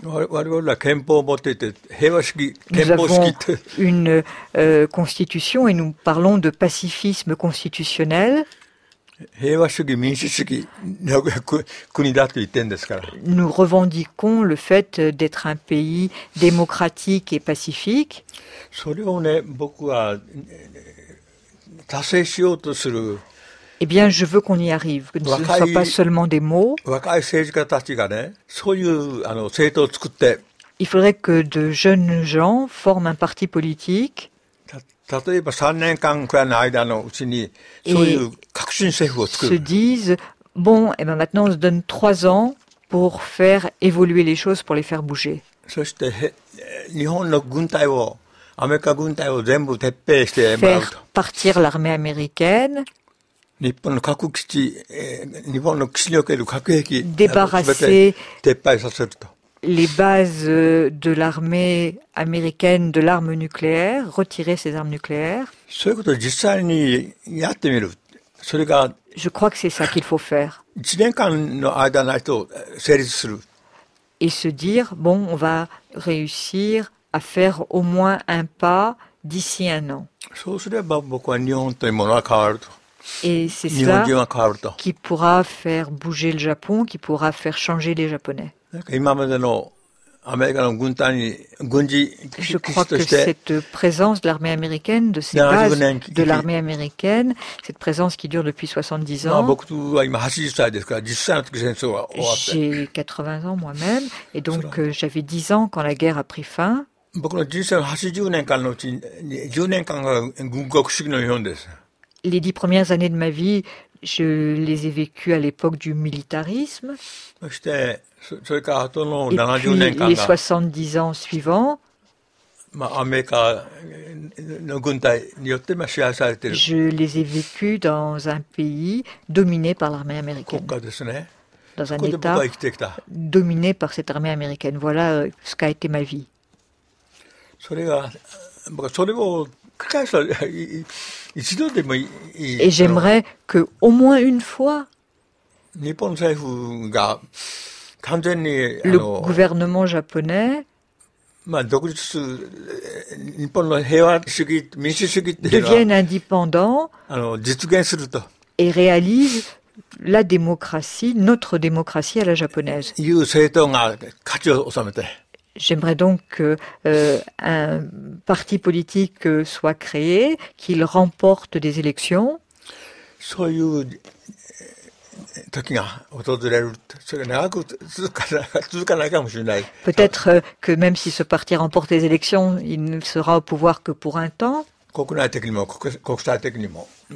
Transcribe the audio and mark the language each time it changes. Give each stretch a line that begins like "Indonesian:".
French: Nous avons une constitution et nous parlons de pacifisme constitutionnel.
Japanese: 平和主義民主主義の国だと言ってんですから。
French: Nous revendiquons le fait d'être un pays démocratique et pacifique.
Japanese: それをね、僕は達成しようとする。
French: Eh bien, je veux qu'on y arrive. Ce ne soit pas seulement des mots.
Japanese: 若い政治家たちがね、そういう政党を作って。
French: Il faudrait que de jeunes gens forment un parti politique.
Japanese: 例えば3年間くらいの間のうちにそういう革新政府を作る。
French: Se disent, bon, et ben maintenant on se donne 3 ans pour faire évoluer les choses, pour les faire bouger.
Japanese: そして日本の軍隊を、アメリカ軍隊を全部撤兵してもらうと。
French: Faire partir l'armée américaine.
Japanese: 日本の核基地、日本の基地における核兵器、
French: débarrasser,
Japanese: 撤廃させると。
French: Les bases de l'armée américaine de l'arme nucléaire, retirer ces armes nucléaires.
Japanese: そういうことを実際にやってみる。それが。
French: Je crois que c'est ça qu'il faut faire.
Japanese: 1年間の間ないと成立する。
French: Et se dire, bon, on va réussir à faire au moins un pas d'ici un an.
Japanese: そうすれば僕は日本というものは変わると。
French: Et c'est ça qui pourra faire bouger le Japon, qui pourra faire changer les Japonais.
Japanese: 今までのアメリカの軍隊に軍事基地として
French: 、cette présence de l'armée américaine, de ces bases de l'armée américaine, cette présence qui dure depuis 70 ans.
Japanese: 僕は今80歳ですから、実際の時戦争は終わって。
French: J'ai 80 ans moi-même, et donc j'avais 10 ans quand la guerre a pris fin.
Japanese: 僕の人生の80年間のうちに10年間が軍国主義の日本です。
French: Les 10 premières années de ma vie, je les ai vécues à l'époque du militarisme.
Japanese: そしてそれからあとの 70 年間が、
French: 70 ans suivants,
Japanese: まあアメリカの軍隊によってまあ支配されている。
French: Je les ai vécus dans un pays dominé par l'armée américaine.
Japanese: 国家ですね。
French: Dans un état
Japanese: 生きてきた。
French: Dominé par cette armée américaine. Voilà ce qu'a été ma vie.
Japanese: それが、僕はそれを繰り返す、一度でもいい。
French: Et j'aimerais que au moins une fois.
Japanese: 日本政府が完全に、
French: le gouvernement japonais,
Japanese: まあ、独立する、日本の平和主義、民主主義っていうのは、
French: devienne indépendant,
Japanese: 実現すると。
French: Et réalise la démocratie, notre démocratie à la japonaise.
Japanese: いう政党が勝ちを収めて。
French: J'aimerais donc qu'un parti politique soit créé, qu'il remporte des élections.
Japanese: そういう時が訪れる。それが長く続かないかもしれない。
French: Peut-être que même si ce parti remporte les élections, il ne sera au pouvoir que pour un temps.
Japanese: 国内的にも国際的にも。